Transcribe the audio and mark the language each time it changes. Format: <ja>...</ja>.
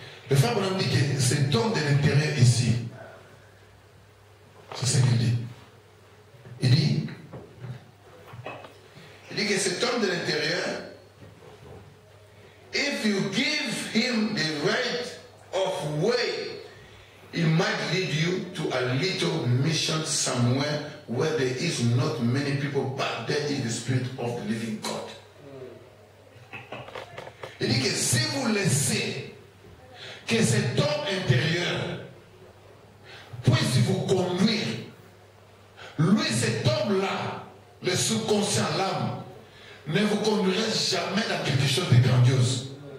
<fr>Le frère Branham dit que cet homme de l'intérieur ici, c'est ce qu'il dit. Il dit que cet homme de l'intérieur,</fr> <en>if you give him the right of way, he might lead you to a little mission somewhere where there is not many people, but there is the spirit of the living God.</en> <fr>Il dit que si vous laissez que cet homme intérieur puisse vous conduire, lui, cet homme-là, le subconscient, l'âme, ne vous conduira jamais dans quelque chose de grandiose.</fr>